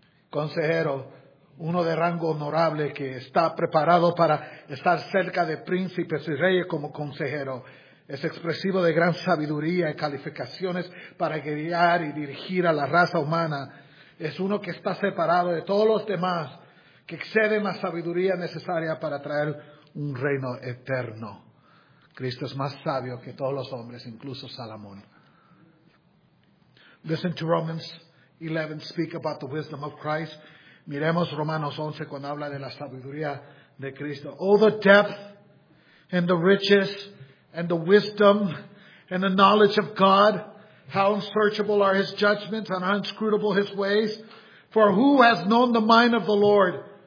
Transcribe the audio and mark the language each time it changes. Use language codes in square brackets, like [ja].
[es] Consejero, uno de rango honorable que está preparado para estar cerca de príncipes y reyes como consejero, es expresivo de gran sabiduría y calificaciones para guiar y dirigir a la raza humana. Es uno que está separado de todos los demás, que excede más sabiduría necesaria para traer un reino eterno. Cristo es más sabio que todos los hombres, incluso Salomón. [en] Listen to Romans 11, speak about the wisdom of Christ. [es] Miremos Romanos 11 cuando habla de la sabiduría de Cristo. [en] Oh, the depth and the riches and the wisdom and the knowledge of God. How unsearchable are his judgments and how inscrutable his ways. For who has known the mind of the Lord?